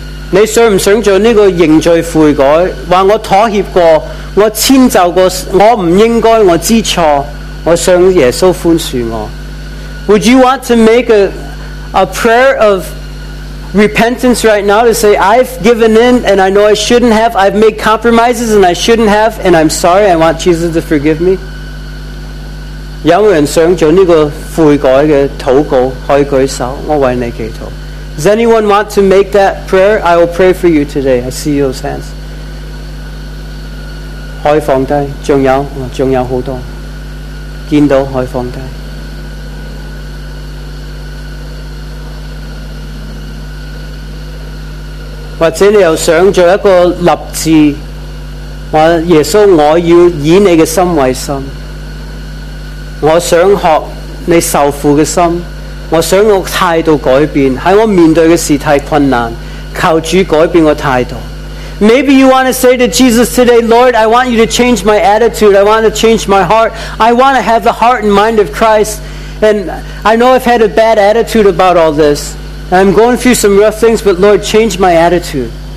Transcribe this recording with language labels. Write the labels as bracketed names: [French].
[Chinese] 你想唔想做呢个认罪悔改？话我妥协过，我迁就过，我唔应该，我知错，我想耶稣宽恕我。 [English] Would you want to make a prayer of repentance right now to say, I've given in and I know I shouldn't have, I've made compromises and I shouldn't have, and I'm sorry, I want Jesus to forgive me? [Chinese] 有没有人想做这个悔改的祷告？可以举手，我为你祈祷。 [English] Does anyone want to make that prayer? I will pray for you today. I see those hands. [Chinese] 可以放低，还有好多，见到可以放低。或者你又想做一个立志，说耶稣，我要以你的心为心，我想学你受苦的心，我想我态度改变，在我面对的事太困难，求主改变我态度。 [English] Maybe you want to say to Jesus today, Lord, I want you to change my attitude, I want to change my heart, I want to have the heart and mind of Christ, and I know I've had a bad attitude about all thisI'm going through some rough things, but Lord, change my attitude.